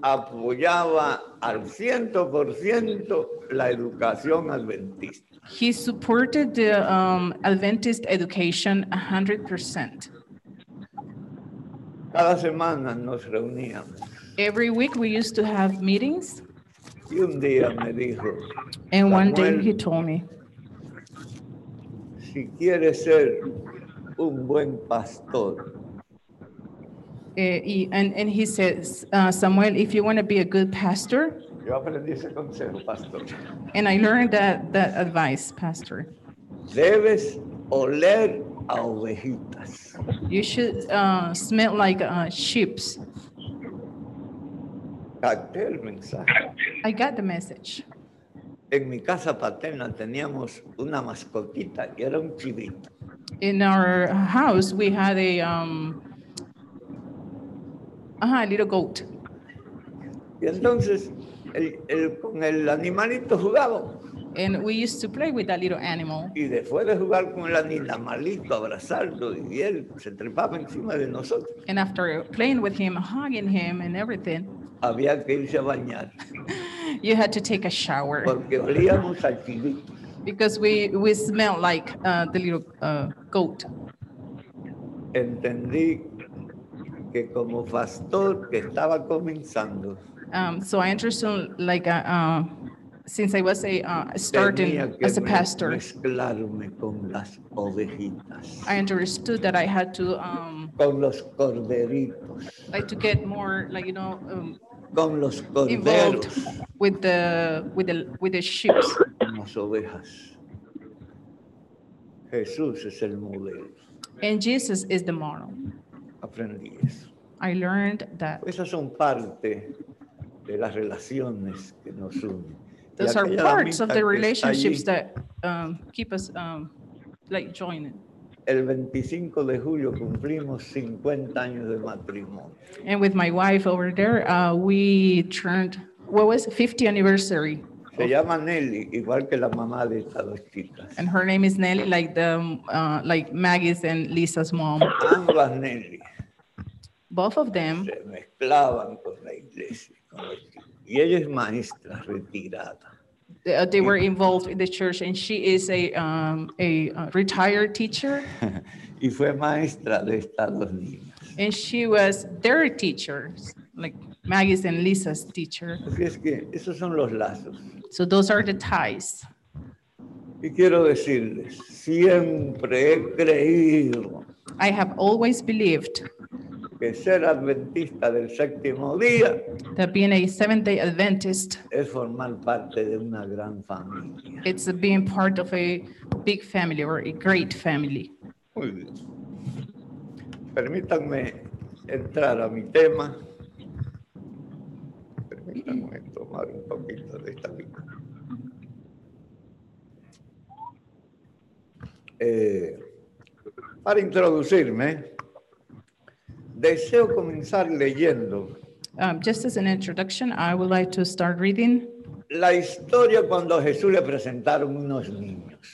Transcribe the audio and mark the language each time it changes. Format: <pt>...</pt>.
<es>Apoyaba al 100% la educación adventista.</es> <en>He supported the Adventist education 100%.</en> <es>Cada semana nos reuníamos.</es> <en>Every week we used to have meetings.</en> <es>Y un día me dijo,</es> <en>and one day he told me,</en> <es>si quieres ser un buen pastor.</es> <en>And he says, Samuel, if you want to be a good pastor.</en> <es>Yo aprendí ese consejo, pastor.</es> <en>And I learned that advice, pastor.</en> <es>Debes oler a ovejitas.</es> <en>You should smell like sheep's.</en> <es>Capté el mensaje.</es> <en>I got the message.</en> <es>En mi casa paterna teníamos una mascotita y era un chivito.</es> <en>In our house we had a little goat.</en> <es>Y entonces el con el animalito jugaba.</es> <en>And we used to play with that little animal.</en> <es>Y después de jugar con el animalito, abrazarlo, y él se trepaba encima de nosotros.</es> <en>And after playing with him, hugging him and everything.</en> <es>Había que irse a bañar.</es> <en>You had to take a shower.</en> <es>Porque olíamos al chivito.</es> <en>Because we smelled like the little goat.</en> <es>Entendí que como pastor que estaba comenzando.</es> <en>So I understood like since I was starting as a pastor,</en> <es>mezclarme con las ovejitas.</es> <en>I understood that I had to</en> <es>con los corderitos.</es> <en>Like to get more, like you know,</en> <es>con los corderos.</es> <en>with the sheep.</en> <es>Con las ovejas. Jesús es el modelo.</es> <en>And Jesus is the model.</en> <es>Aprendí eso.</es> <en>I learned that.</en> <es>Esas son parte de las relaciones que nos unen.</es> <en>Those are parts of the relationships that keep us like joining.</en> <es>El 25 de julio cumplimos 50 años de matrimonio.</es> <en>And with my wife over there, we turned, what was it, 50th anniversary.</en> <es>Se llama Nelly, igual que la mamá de estas dos chicas.</es> <en>And her name is Nelly, like the like Maggie's and Lisa's mom.</en> <es>Ambas Nelly.</es> <en>Both of them.</en> <es>Se mezclaban con la iglesia. Y ella es maestra retirada.</es> <en>They were involved in the church, and she is a retired teacher.</en> <es>Y fue maestra de estas dos niñas.</es> <en>And she was their teacher, like Maggie's and Lisa's teacher.</en> <es>Así es que esos son los lazos.</es> <en>So those are the ties.</en> <es>Y quiero decirles, siempre he creído.</es> <en>I have always believed.</en> <es>que ser adventista del séptimo día,</es> <en>that being a Seventh-day Adventist,</en> <es>es formar parte de una gran familia.</es> <en>It's being part of a big family or a great family.</en> <es>Muy bien. Permítanme entrar a mi tema. Permítanme tomar un poquito de esta vida. Para introducirme, deseo comenzar leyendo.</es> <en>Just as an introduction, I would like to start reading.</en> <es>La historia cuando Jesús le presentaron unos niños.</es>